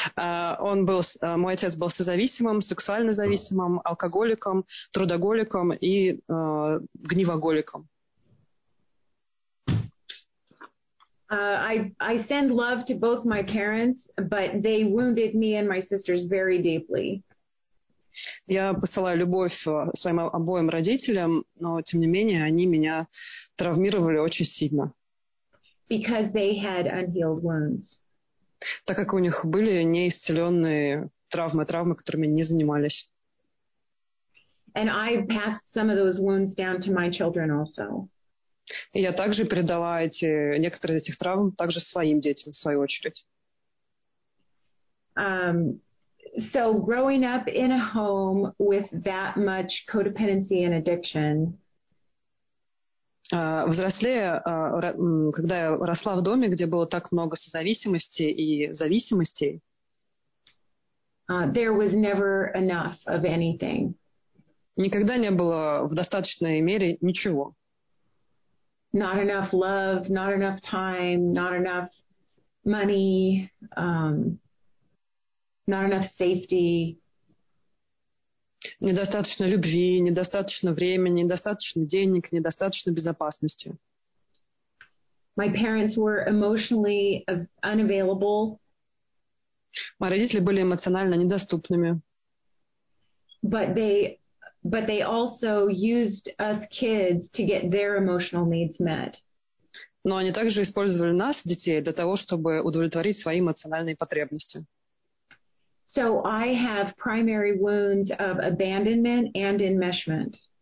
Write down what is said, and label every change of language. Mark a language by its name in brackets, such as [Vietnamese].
[Russian] Он был, мой отец был созависимым, сексуально зависимым, алкоголиком, трудоголиком и гнивоголиком. [English] I send love to both my parents, but they wounded me and my sisters very deeply. [Russian] Я посылаю любовь своим обоим родителям, но тем не менее они меня травмировали очень сильно. [English] Because they had unhealed wounds. [Russian] Так как у них были неисцеленные травмы, которыми не занимались. [English] And I passed some of those wounds down to my children also. [Russian] И я также передала некоторые из этих травм также своим детям, в свою очередь. [English] So growing up in a home with that much codependency and addiction. [Russian] Когда я росла в доме, где было так много созависимости и зависимостей, [English] there was never enough of anything. [Russian] Никогда не было в достаточной мере ничего. [English] Not enough love, not enough time, not enough money, not enough safety. [Russian] Недостаточно любви, недостаточно времени, недостаточно денег, недостаточно безопасности. [English] My parents were emotionally unavailable. [Russian] Мои родители были эмоционально недоступными. [English] But they also used us kids to get their emotional needs met. [Russian] Но они также использовали нас, детей, для того, чтобы удовлетворить свои эмоциональные потребности. [English] So I have primary wounds of abandonment and enmeshment.